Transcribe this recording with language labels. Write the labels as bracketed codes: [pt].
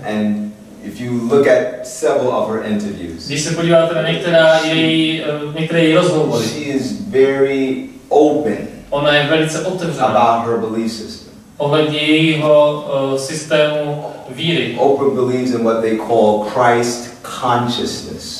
[en] And if you look at several of her interviews, [cs] když se podíváte na některé její rozhovory, [en] she is very open. [cs] Ona je velice otevřená. [en] About her belief system. [cs] Ohledně jejího systému víry. [en] Oprah believes in what they call Christ consciousness.